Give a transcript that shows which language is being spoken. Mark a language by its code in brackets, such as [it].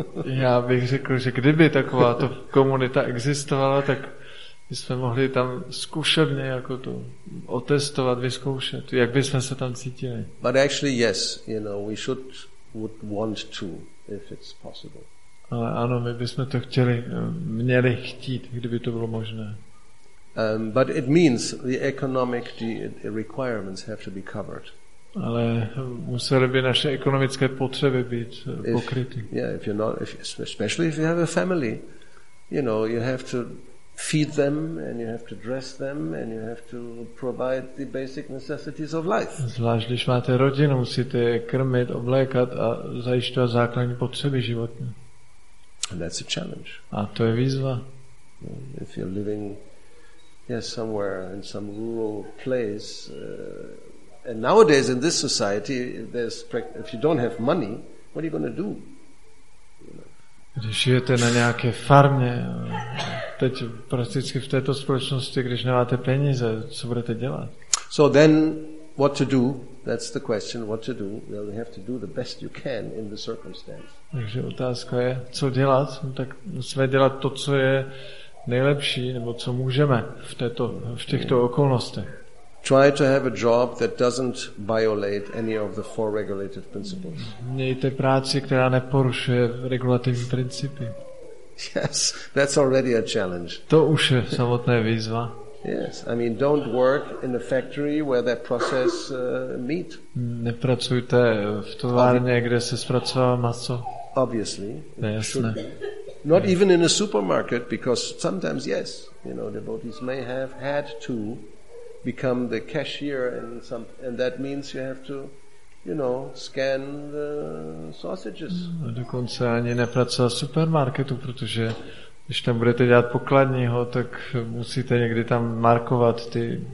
[cs] Já bych řekl, že kdyby taková to komunita existovala, tak bychom mohli tam zkušebně jako to otestovat, vyzkoušet, jak bychom se tam cítili. [en] But actually, yes, you know, we would want to, if it's possible. [cs] Ale ano, my bychom to měli chtít, kdyby to bylo možné. [en] But it means the economic requirements have to be covered. [cs] Ale musely by naše ekonomické potřeby být pokryty. [en] Especially if you have a family, you know, you have to feed them and you have to dress them and you have to provide the basic necessities of life. [cs] Zvlášť když máte rodinu, musíte je krmit, oblékat a zajišťovat základní potřeby životní. [en] And that's a challenge. [cs] A to je výzva. [en] If you're living somewhere in some rural place, and nowadays in this society, if you don't have money, what are you going to do? [cs] Když žijete na nějaké farmě, teď prakticky v této společnosti, když nemáte peníze, co budete dělat? [en] So then, what to do? That's the question, what to do? Well, you have to do the best you can in the circumstance. [cs] Takže otázka je, co dělat? No, tak musíme dělat to, co je nejlepší, nebo co můžeme v těchto okolnostech. [en] Try to have a job that doesn't violate any of the four regulative principles. [cs] Mějte práci, která neporušuje regulativní principy. [en] Yes, that's already a challenge. [cs] To už je samotná výzva. [en] Yes, I mean, don't work in a factory where that process meat. [cs] Nepracujte v továrně, kde se zpracovává maso. [en] Obviously. [cs] Nejasné. [en] Not even in a supermarket, because sometimes, yes, you know, devotees may have had to become the cashier and that means you have to, you know, scan the sausages. [cs] Dokonce ani nepracovat v supermarketu, protože Když tam budete dělat pokladního, tak musíte někdy tam markovat ty